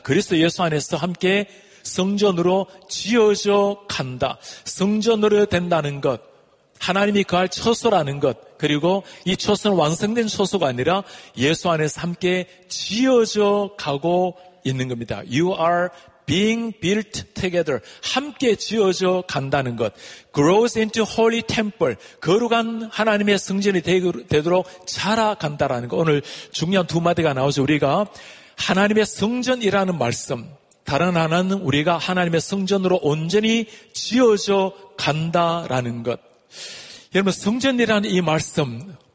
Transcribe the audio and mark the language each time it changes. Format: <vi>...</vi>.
<ko>그리스도 예수 안에서 함께 성전으로 지어져 간다. 성전으로 된다는 것. 하나님이 그할 처소라는 것 그리고 이 처소는 완성된 처소가 아니라 예수 안에서 함께 지어져 가고 있는 겁니다.</ko> <en>You are being built together.</en> <ko>함께 지어져 간다는 것.</ko> <en>Grows into holy temple.</en> <ko>거룩한 하나님의 성전이 되도록 자라간다라는 것. 오늘 중요한 두 마디가 나오죠. 우리가 하나님의 성전이라는 말씀. 다른 하나는 우리가 하나님의 성전으로 온전히 지어져 간다라는 것. 여러분 성전이라는 이 말씀</ko>